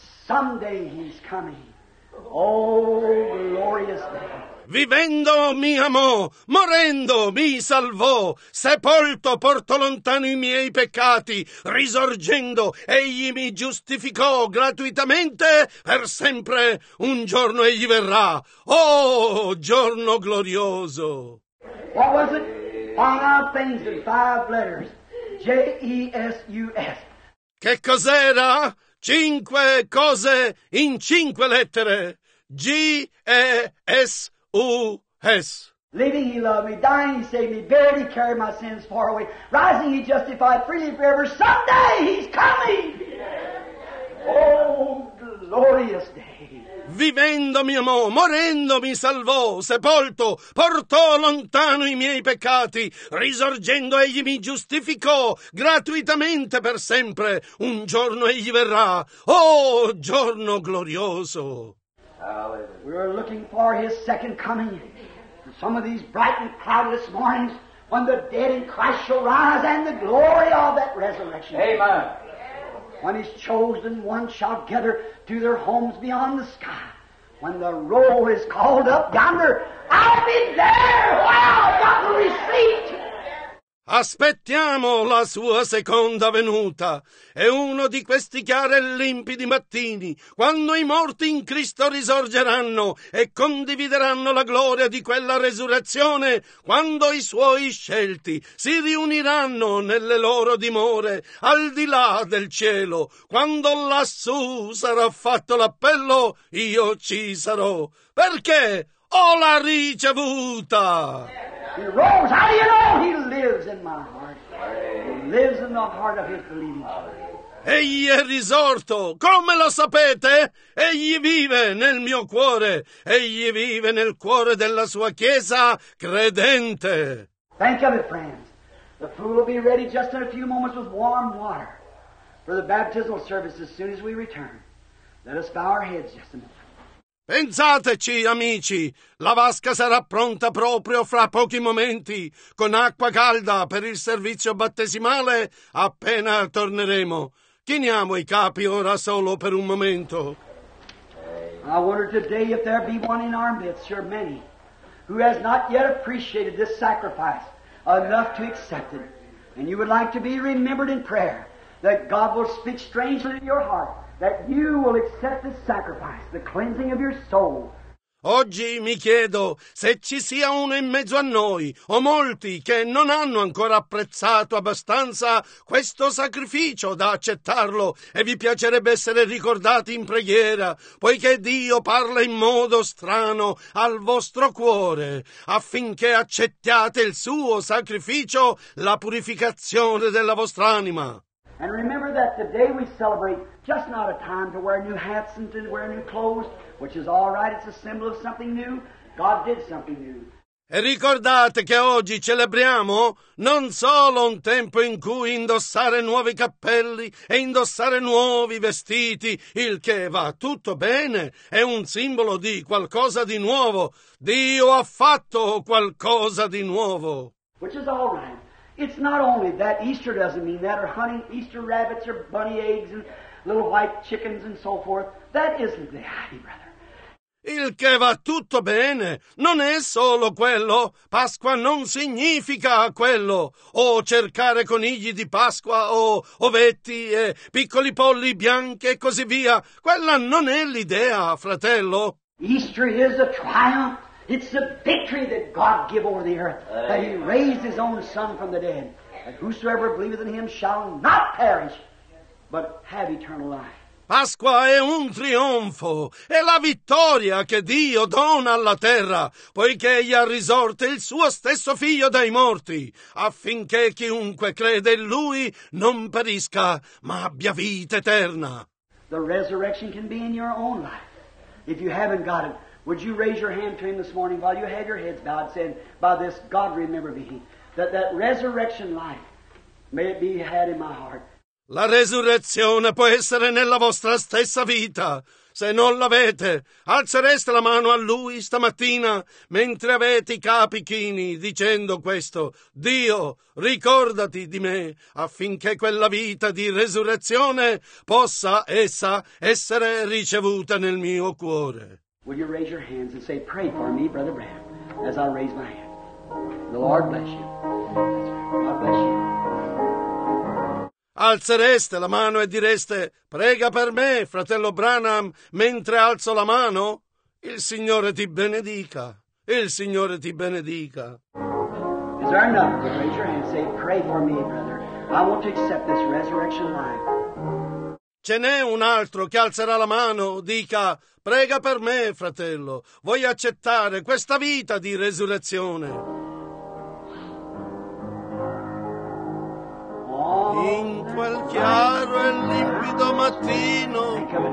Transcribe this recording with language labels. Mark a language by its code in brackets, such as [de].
[en] Someday he's coming. Oh, glorious day. [it] Vivendo mi amò, morendo mi salvò, sepolto portò lontano i miei peccati, risorgendo egli mi giustificò gratuitamente, per sempre un giorno egli verrà. Oh, giorno glorioso! [en] What was it? Five things in five letters. J-E-S-U-S. [it] Che cos'era? Cinque cose in cinque lettere. G-E-S. U-S. [en] Living, he loved me. Dying, he saved me. Buried, he carried my sins far away. Rising, he justified freely forever. Someday, he's coming! Oh, glorious day! [it] Vivendo mi amò, morendo mi salvò, sepolto, portò lontano i miei peccati, risorgendo egli mi giustificò, gratuitamente per sempre. Un giorno egli verrà. Oh, giorno glorioso! [en] We are looking for his second coming. And some of these bright and cloudless mornings when the dead in Christ shall rise and the glory of that resurrection. Amen. When his chosen ones shall gather to their homes beyond the sky. When the roll is called up yonder, I'll be there while I've got the receipt. [it] Aspettiamo la sua seconda venuta. È uno di questi chiari e limpidi mattini, quando i morti in Cristo risorgeranno e condivideranno la gloria di quella resurrezione, quando i suoi scelti si riuniranno nelle loro dimore, al di là del cielo, quando lassù sarà fatto l'appello, io ci sarò, perché ho la ricevuta. [en] He rose. How do you know? He lives in my heart. He lives in the heart of his believing church. [it] Egli è risorto. Come lo sapete? Egli vive nel mio cuore. Egli vive nel cuore della sua chiesa credente. [en] Think of it, friends. The pool will be ready just in a few moments with warm water for the baptismal service as soon as we return. Let us bow our heads just a minute. [it] Pensateci, amici, la vasca sarà pronta proprio fra pochi momenti, con acqua calda per il servizio battesimale, appena torneremo. Chiniamo i capi ora solo per un momento. [en] I wonder today if there be one in our midst, or many, who has not yet appreciated this sacrifice enough to accept it, and you would like to be remembered in prayer, that God will speak strangely to your heart. That you will accept the sacrifice, the cleansing of your soul. [it] Oggi mi chiedo se ci sia uno in mezzo a noi, o molti, che non hanno ancora apprezzato abbastanza questo sacrificio da accettarlo, e vi piacerebbe essere ricordati in preghiera, poiché Dio parla in modo strano al vostro cuore, affinché accettiate il suo sacrificio, la purificazione della vostra anima. [en] And remember that the day we celebrate, just not a time to wear new hats and to wear new clothes, which is all right, it's a symbol of something new. God did something new. [it] E ricordate che oggi celebriamo non solo un tempo in cui indossare nuovi cappelli e indossare nuovi vestiti, il che va tutto bene, è un simbolo di qualcosa di nuovo. Dio ha fatto qualcosa di nuovo. [en] Which is all right. It's not only that Easter doesn't mean that, or hunting Easter rabbits or bunny eggs and little white chickens and so forth. That isn't the idea, brother. [it] Il che va tutto bene non è solo quello. Pasqua non significa quello. O cercare conigli di Pasqua o ovetti e piccoli polli bianchi e così via. Quella non è l'idea, fratello. [en] Easter is a triumph. It's the victory that God give over the earth, that he raised his own son from the dead, and whosoever believeth in him shall not perish, but have eternal life. [it] Pasqua è un trionfo, è la vittoria che Dio dona alla terra, poiché egli ha risorto il suo stesso figlio dai morti, affinché chiunque crede in lui non perisca, ma abbia vita eterna. [en] The resurrection can be in your own life, if you haven't got it. Would you raise your hand to him this morning while you have your heads bowed, saying, by this, God, remember me, that resurrection life may it be had in my heart. [it] La resurrezione può essere nella vostra stessa vita. Se non l'avete, alzereste la mano a Lui stamattina mentre avete i capi chini, dicendo questo: Dio, ricordati di me, affinché quella vita di resurrezione possa essa essere ricevuta nel mio cuore. [en] Will you raise your hands and say, pray for me, Brother Branham, as I raise my hand. The Lord bless you. God bless you. [it] Alzereste la mano e direste: prega per me, fratello Branham, mentre alzo la mano? Il Signore ti benedica. Il Signore ti benedica. [en] Is there enough to raise your hand and say, pray for me, brother. I want to accept this resurrection life. [it] Ce n'è un altro che alzerà la mano, dica: prega per me, fratello. Vuoi accettare questa vita di resurrezione? In quel chiaro e limpido mattino.